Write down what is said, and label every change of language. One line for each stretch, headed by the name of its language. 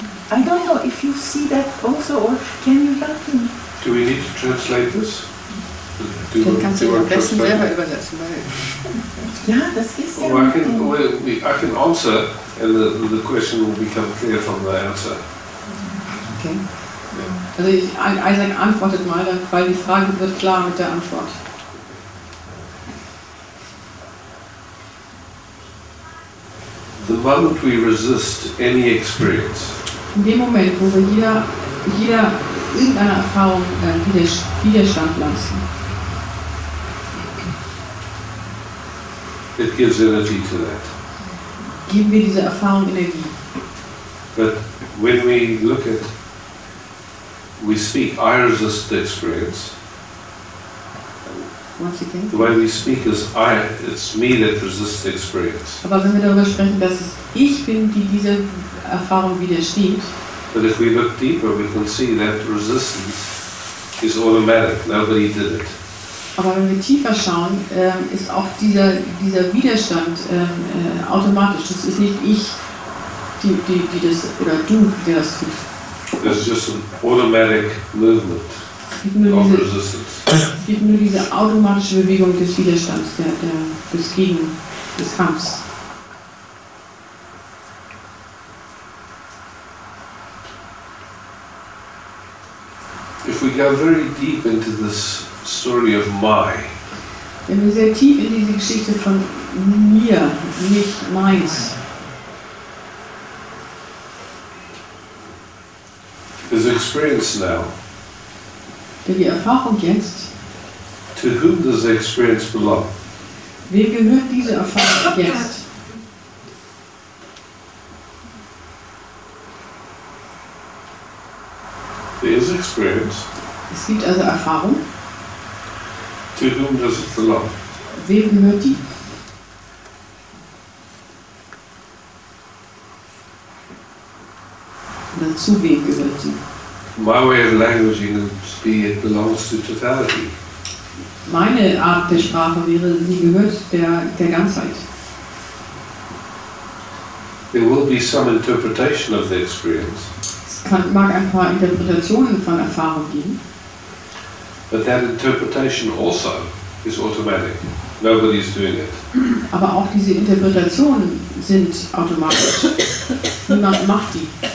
English: I don't know if you see that also, or can you help me? Do we need to translate this?
German: Den kannst du am besten selber übersetzen, weil... Ja, das ist ja...
English: I can answer, and the question will become clear from the answer. Okay. Yeah.
German: Also Isaac antwortet mal, weil die Frage wird klar mit der Antwort.
English: The moment we resist any experience.
German: In dem Moment, wo wir jeder irgendeine Erfahrung Widerstand lassen.
English: It gives energy to that.
German: Geben wir dieser Erfahrung Energie.
English: But when we look at, we speak, I resist the experience. The way we speak is I. It's me that resists the experience.
German: Aber wenn wir darüber sprechen, dass es ich bin, die diese Erfahrung widersteht.
English: But if we look deeper, we can see that resistance is automatic. Nobody did it.
German: Aber wenn wir tiefer schauen, ist auch dieser Widerstand automatisch. Das ist nicht ich, die das oder du, der das tut.
English: It's just an automatic movement.
German: Es gibt nur diese automatische Bewegung des Widerstands, des Gegen, des Kampfs.
English: If we go very deep into this story of my,
German: wenn wir sehr tief in diese Geschichte von mir, nicht meins,
English: is experience now.
German: Die Erfahrung jetzt.
English: To whom does the experience belong?
German: Wem gehört diese Erfahrung jetzt?
English: There is experience.
German: Es gibt also Erfahrung.
English: To whom does it belong?
German: Wem gehört die? Oder zu wem gehört sie?
English: My way of languaging would be it belongs to totality.
German: Meine Art der Sprache wäre, sie gehört der Ganzheit.
English: There will be some interpretation of the experience.
German: Es mag ein paar Interpretationen von Erfahrung geben.
English: But that interpretation also is automatic. Nobody is doing it.
German: Aber auch diese Interpretationen sind automatisch. Niemand macht die.